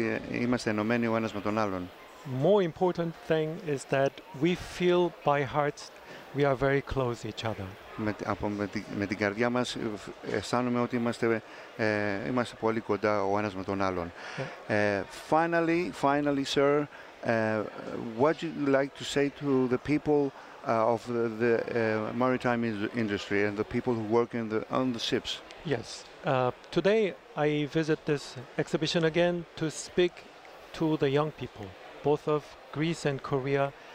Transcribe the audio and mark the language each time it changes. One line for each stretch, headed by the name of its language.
Greek: Είμαστε ενωμένοι ο ένας με τον άλλον.
English: More important thing is that we feel by heart. We are very close each other.
Greek: Με την καρδιά μας αισθάνομαι ότι είμαστε πολύ κοντά ο ένας με τον άλλον.
English: Finally, sir, what would you like to say to the people of the maritime industry and the people who work on the ships? Yes. Today I visit this exhibition again to speak to the young people, both of Greece and Korea.